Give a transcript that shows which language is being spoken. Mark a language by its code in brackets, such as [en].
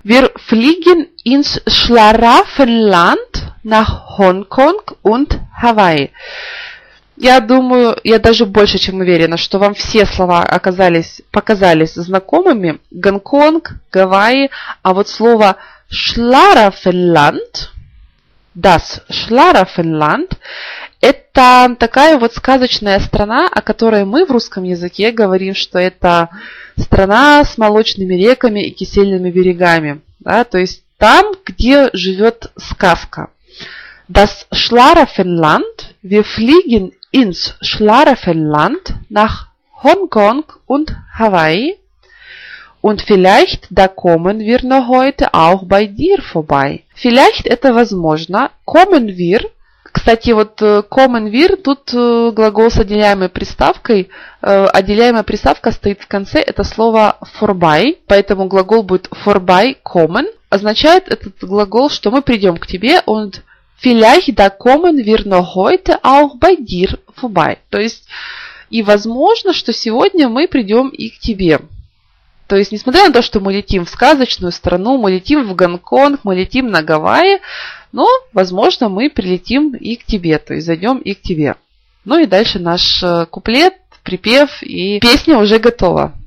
[de] Wir fliegen ins Schlaraffenland nach Hongkong und Hawaii. [ru] Я думаю, я даже больше, чем уверена, что вам все слова показались знакомыми. Гонконг, Гавайи. А вот слово Schlaraffenland, das Schlaraffenland – это такая вот сказочная страна, о которой мы в русском языке говорим, что это страна с молочными реками и кисельными берегами. Да? То есть там, где живет сказка. [de] Das Schlaraffenland. Wir fliegen ins Schlaraffenland nach Hongkong und Hawaii. Und vielleicht da kommen wir noch heute auch bei dir vorbei. [ru] Vielleicht – это возможно. [de] Kommen wir. [ru] Кстати, вот kommen wir, тут глагол с отделяемой приставкой. Отделяемая приставка стоит в конце, это слово vorbei, поэтому глагол будет vorbei kommen. Означает этот глагол, что мы придем к тебе, und vielleicht da kommen wir noch heute auch bei dir vorbei. То есть, и возможно, что сегодня мы придем и к тебе. То есть, несмотря на то, что мы летим в сказочную страну, мы летим в Гонконг, мы летим на Гавайи, но, возможно, мы прилетим и к тебе, то есть зайдем и к тебе. Ну и дальше наш куплет, припев и песня уже готова.